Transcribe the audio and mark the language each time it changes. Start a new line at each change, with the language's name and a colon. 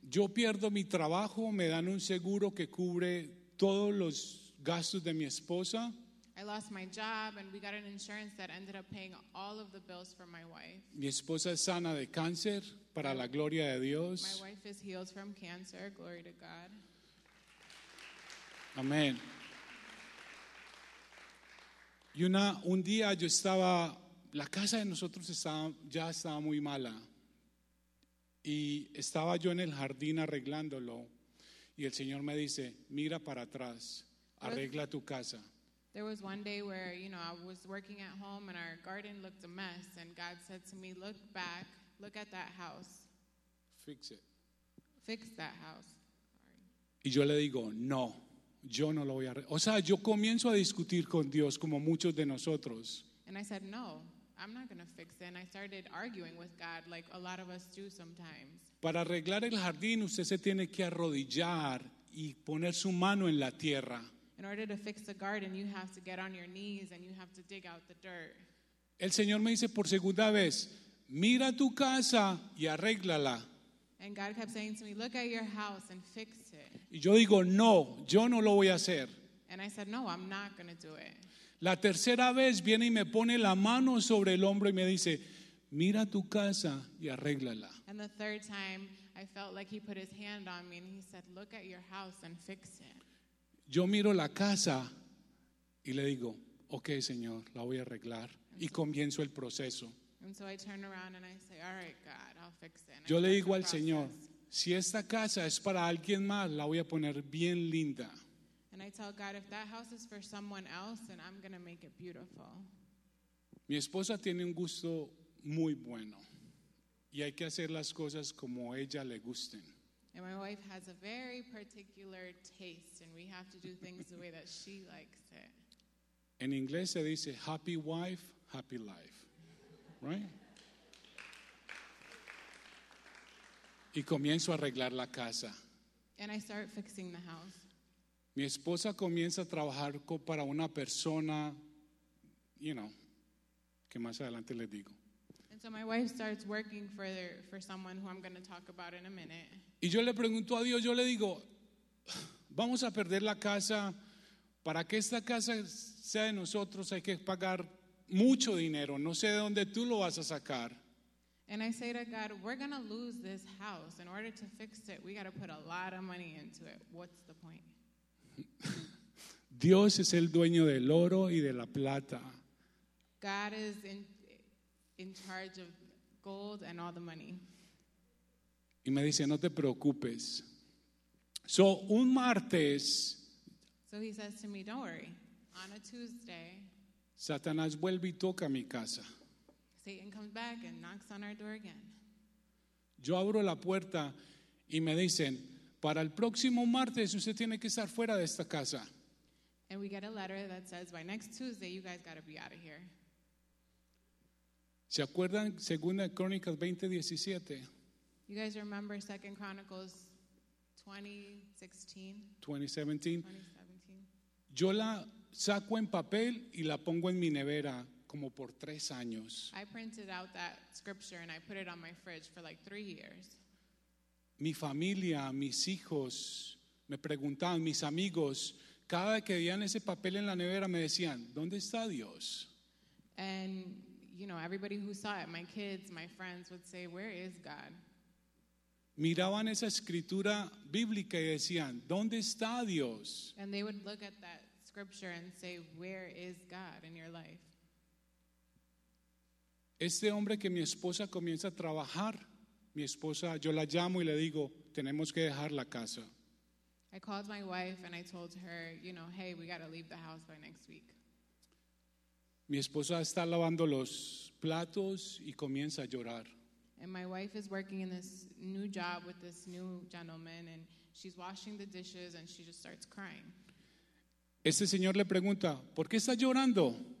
Spanish: Yo pierdo mi trabajo, me dan un seguro que cubre todos los gastos de mi esposa.
English: I lost my job and we got an insurance that ended up paying all of the bills for my wife.
Spanish: Mi esposa es sana de cáncer, para la gloria de Dios.
English: My wife is healed from cancer, glory to God.
Spanish: Amén. Y un día yo estaba, la casa de nosotros ya estaba muy mala. Y estaba yo en el jardín arreglándolo. Y el Señor me dice, mira para atrás, arregla tu casa.
English: There was one day where, you know, I was working at home and our garden looked a mess. And God said to me, look back, look at that house. Fix it. Fix that house.
Spanish: Y yo le digo, no, yo no lo voy a arreglar. O sea, yo comienzo a discutir con Dios como muchos de nosotros.
English: And I said, no, I'm not going to fix it. And I started arguing with God like a lot of us do sometimes.
Spanish: Para arreglar el jardín, usted se tiene que arrodillar y poner su mano en la tierra.
English: In order to fix the garden, you have to get on your knees and you have to dig out the dirt.
Spanish: El Señor me dice por segunda vez, mira tu casa y arréglala.
English: And God kept saying to me, look at your house and fix it.
Spanish: Y yo digo, no, yo no lo voy a hacer.
English: And I said, no, I'm not going to do it.
Spanish: La tercera vez viene y me pone la mano sobre el hombro y me dice, mira tu casa y arréglala.
English: And the third time, I felt like he put his hand on me and he said, look at your house and fix it.
Spanish: Yo miro la casa y le digo, okay, Señor, la voy a arreglar. Y comienzo el proceso.
English: And so I turn around and I say, all right, God, I'll fix it.
Spanish: Yo le digo al Señor, si esta casa es para alguien más, la voy a poner bien linda.
English: And I tell God, if that house is for someone else, then I'm going to make it beautiful.
Spanish: Mi esposa tiene un gusto muy bueno. Y hay que hacer las cosas como ella le gusten.
English: And my wife has a very particular taste, and we have to do things the way that she likes it.
Spanish: En inglés se dice,
English: happy wife, happy life. Right?
Spanish: Y comienzo a arreglar la casa.
English: And I start fixing the house.
Spanish: Mi esposa comienza a trabajar para una persona,
English: you know,
Spanish: que más adelante les digo.
English: And so my wife starts working for someone who I'm going to talk about in a minute.
Spanish: Y yo le pregunto a Dios, yo le digo, vamos a perder la casa. Para que esta casa sea de nosotros hay que pagar mucho dinero. No sé de dónde tú lo vas a sacar.
English: And I say to God, we're going to lose this house. In order to fix it, we got to put a lot of money into it. What's the point?
Spanish: Dios es el dueño del oro y de la plata.
English: God is in charge of gold and all the money.
Spanish: Y me dice, no te preocupes. So, un martes.
English: So he says to me, don't worry. On a Tuesday,
Spanish: Satanás vuelve y toca mi casa.
English: Satan comes back and knocks on our door again.
Spanish: Yo abro la puerta y me dicen, para el próximo martes usted tiene que estar fuera de esta casa.
English: And we get a letter that says by next Tuesday you guys got to be out of here.
Spanish: ¿Se acuerdan Segunda Crónicas 20:17?
English: You guys remember Second Chronicles 2017.
Spanish: Yo la saco en papel y la pongo en mi nevera como por 3 años.
English: I printed out that scripture and I put it on my fridge for like 3 years.
Spanish: Mi familia, mis hijos, me preguntaban, mis amigos, cada vez que veían ese papel en la nevera me decían, ¿dónde está Dios?
English: And, you know, everybody who saw it, my kids, my friends would say, where is God?
Spanish: Miraban esa escritura bíblica y decían, ¿dónde está Dios?
English: And they would look at that scripture and say, where is God in your life?
Spanish: Este hombre que mi esposa comienza a trabajar, mi esposa, yo la llamo y le digo, tenemos que dejar la casa.
English: I called my wife and I told her, you know, hey, we got to leave the house by next week.
Spanish: Mi esposa está lavando los platos y comienza a llorar.
English: And my wife is working in this new job with this new gentleman and she's washing the dishes and she just starts crying.
Spanish: Este señor le pregunta, ¿por qué está llorando?